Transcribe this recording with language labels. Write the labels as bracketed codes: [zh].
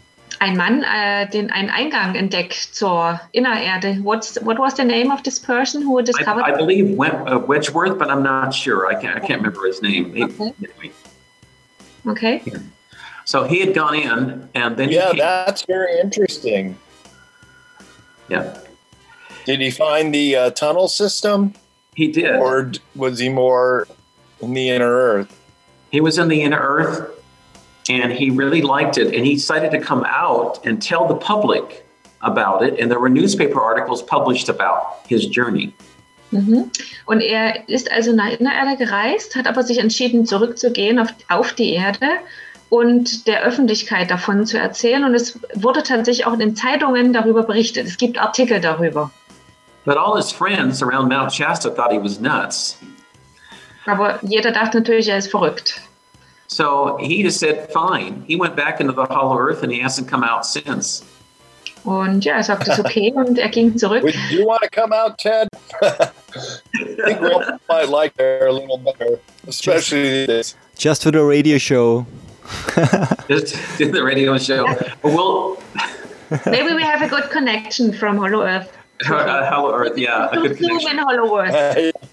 [de] 1898 hat ein Mann den Eingang entdeckt zur Innererde. [en] What was the name of this person who discovered? I believe Wedgeworth, but I'm not sure. I can't remember his name. Okay. So he had gone in, and then that's very interesting. Yeah. Did he find the tunnel system? He did. Or was he more in the inner earth? He was in the inner earth, and he really liked it. And he decided to come out and tell the public about it. And there were newspaper articles published about his journey. Mm-hmm. [de] Und ist also nach Innererde gereist, hat aber sich entschieden, zurückzugehen auf die Erde und der Öffentlichkeit davon zu erzählen. Und es wurde tatsächlich auch in den Zeitungen darüber berichtet. Es gibt Artikel darüber. [en] But all his friends around Mount Shasta thought he was nuts. [de] Aber jeder dachte natürlich, er ist verrückt. [en] So he just said, fine. He went back into the hollow earth and he hasn't come out since. [de] Und er sagte, es ist okay und er ging zurück. [en] Would you want to come out, Ted? I think we'll probably like her a little better, especially this. Just for the radio show. Just do the radio show. But we'll... Maybe we have a good connection from hollow earth. Hollow Earth, yeah, a good connection.